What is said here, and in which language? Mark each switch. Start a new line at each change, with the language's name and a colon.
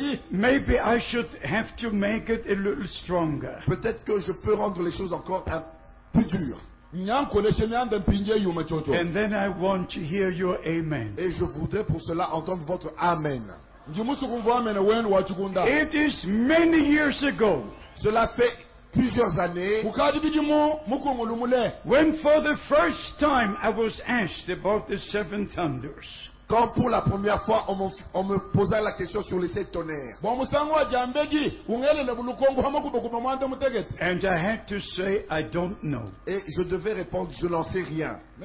English: Maybe I should have to make it a little stronger.
French: Peut-être que je peux rendre les choses encore un peu dures.
English: And then I want to hear your amen.
French: Et je voudrais pour cela entendre votre amen.
English: It is many years ago.
French: Cela fait plusieurs années.
English: When for the first time I was asked about the seven thunders.
French: Quand pour la première fois on me posa la question sur les sept tonnerres.
English: And I had to say, I don't know.
French: Et je devais répondre, je n'en sais rien.